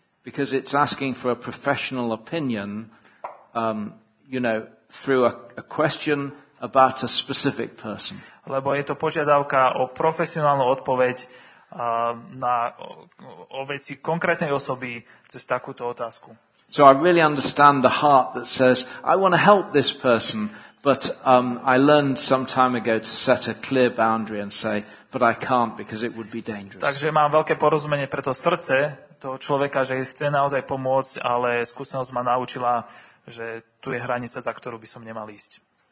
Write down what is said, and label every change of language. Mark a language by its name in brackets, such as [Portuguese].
[English] Because it's asking for a professional opinion, you know, through a question about a specific person. [Slovak] Lebo je to požiadavka o profesionálnu odpoveď na o veci konkrétnej osoby cez takúto otázku. [English] So I really understand the heart that says I want to help this person, but I learned some time ago to set a clear boundary and say but I can't because it would be dangerous. [Slovak] Takže mám veľké porozumenie pre to srdce toho človeka, že chce naozaj pomôcť, ale skúsenosť ma naučila, že tu je hranica, za ktorú by som nemal ísť.